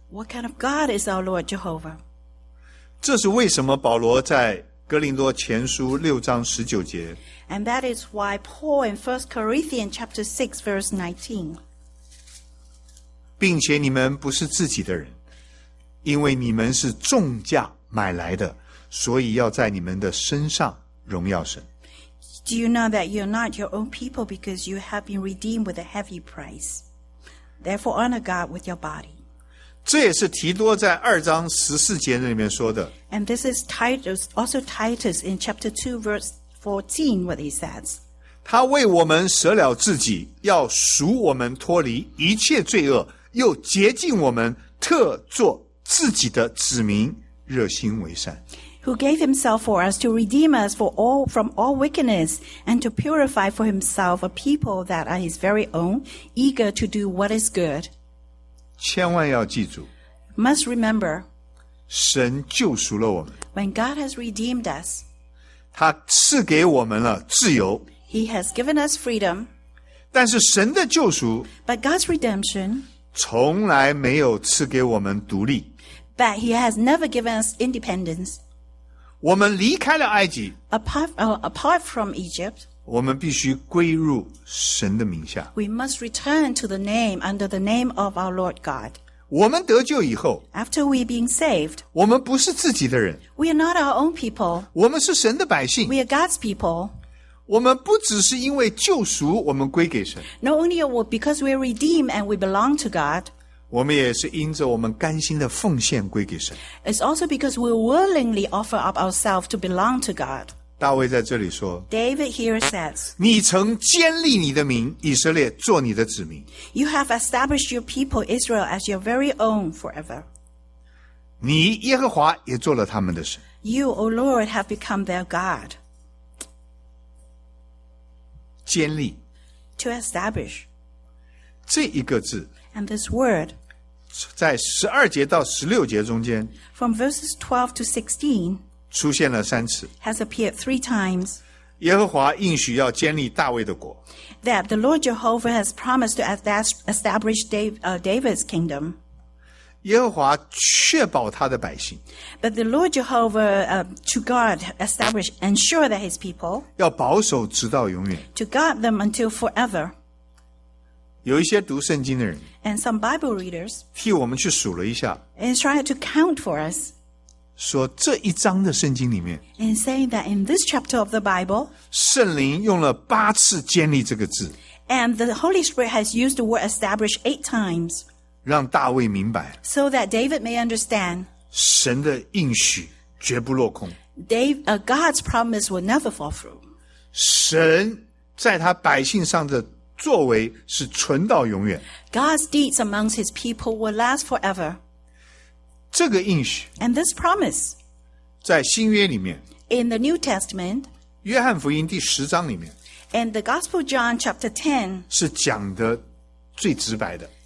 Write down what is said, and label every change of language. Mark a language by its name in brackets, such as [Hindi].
[English] What kind of God is our Lord Jehovah? [Chinese] 这是为什么保罗在哥林多前书六章十九节 [English] And that is why Paul in 1 Corinthians chapter 6 verse 19 [Chinese] 并且你们不是自己的人因为你们是重价买来的所以要在你们的身上荣耀神 [English] Do you know that you're not your own people because you have been redeemed with a heavy price? Therefore honor God with your body. [Chinese] 这也是提多在二章十四节里面说的。 [English] And this is Titus, also Titus in chapter 2 verse 14, what he says. [Chinese] 他为我们舍了自己，要赎我们脱离一切罪恶，又洁净我们，特作自己的子民，热心为善。 [English] Who gave himself for us to redeem us from all wickedness and to purify for himself a people that are his very own, eager to do what is good. [Chinese] 千万要记住 [English] Must remember [Chinese] 神救赎了我们 [English] When God has redeemed us [Chinese] 他赐给我们了自由 [English] He has given us freedom [Chinese] 但是神的救赎 [English] But God's redemption [Chinese] 从来没有赐给我们独立 [English] But he has never given us independence [Chinese] 我们离开了埃及 [English] apart from Egypt, [Chinese] 我们必须归入神的名下。 [English] We must return to the name under the name of our Lord God. [Chinese] 我们得救以后 [English] after we being saved, [Chinese] 我们不是自己的人。 [English] We are not our own people. [Chinese] 我们是神的百姓。 [English] We are God's people. [Chinese] 我们不只是因为救赎我们归给神 [English] Not only because we are redeemed and we belong to God [Chinese] 我们也是因着我们甘心的奉献归给神 [English] It's also because we willingly offer up ourselves to belong to God [Chinese] 大卫在这里说 [English] David here says [Chinese] 你曾坚立你的民以色列做你的子民 [English] You have established your people Israel as your very own forever [Chinese] 你耶和华也做了他们的神 [English] You, O Lord, have become their God [Chinese] 坚立 [English] to establish [Chinese] 这一个字 [English] and this word [Chinese] 在12节到16节中间 [English] from verses 12 to 16 [Chinese] 出现了三次 [English] has appeared three times [Chinese] 耶和华应许要坚立大卫的国 [English] that the Lord Jehovah has promised to establish David's kingdom [Chinese] 耶和华确保他的百姓 [English] but the Lord Jehovah to guard, establish, ensure that his people [Chinese] 要保守直到永远 [English] to guard them until forever [Chinese] 有一些读圣经的人 [English] and some Bible readers [Chinese] 替我们去数了一下 [English] and tried to count for us [Chinese] 说这一章的圣经里面 [English] and saying that in this chapter of the Bible [Chinese] 圣灵用了八次坚立这个字 [English] and the Holy Spirit has used the word establish eight times [Chinese] 让大卫明白 [English] so that David may understand [Chinese] 神的应许绝不落空 [English] God's promise will never fall through [Chinese] 神在他百姓上的作为是存到永远 [English] God's deeds amongst his people will last forever [Chinese] 这个应许 [English] and this promise [Chinese] 在新约里面 [English] in the New Testament [Chinese] 约翰福音第十章里面 [English] and the Gospel John chapter 10 [Chinese] 是讲的最直白的